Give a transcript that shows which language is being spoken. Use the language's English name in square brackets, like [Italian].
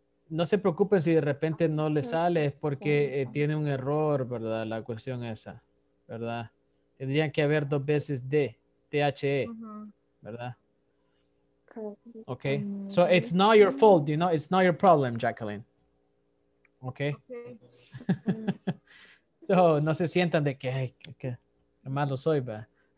[Spanish] No se preocupen si de repente no le sale, es porque tiene un error, ¿verdad? La cuestión esa, ¿verdad? Tendrían que haber dos veces de, T-H-E, ¿verdad? [English] Okay, so it's not your fault, you know, it's not your problem, Jacqueline. Okay. [Spanish] So, no se sientan de que, hey, que malo soy, ¿verdad?